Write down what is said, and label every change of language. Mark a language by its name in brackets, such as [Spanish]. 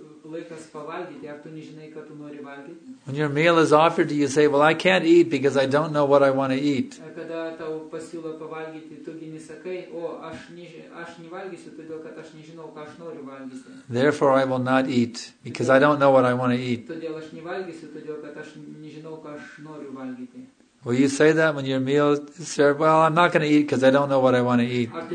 [Lithuanian] laikas pavalgyti, ar tu nežinai, ką tu nori valgyti? [English] When your meal is offered, do you say, well, I can't eat because I don't know what I want to eat? [Lithuanian] Kada tau pasiūlo pavalgyti, tu nesakai, o aš nevalgysiu, todėl kad aš nežinau, ką aš noriu valgyti. [English] Therefore, I will not eat because I don't know what I want to eat. [Lithuanian] Todėl aš nevalgysiu, todėl kad aš nežinau, ką aš noriu valgyti. [English] Will you say that when your meal is served? Well, I'm not going to eat because I don't know what I want to eat.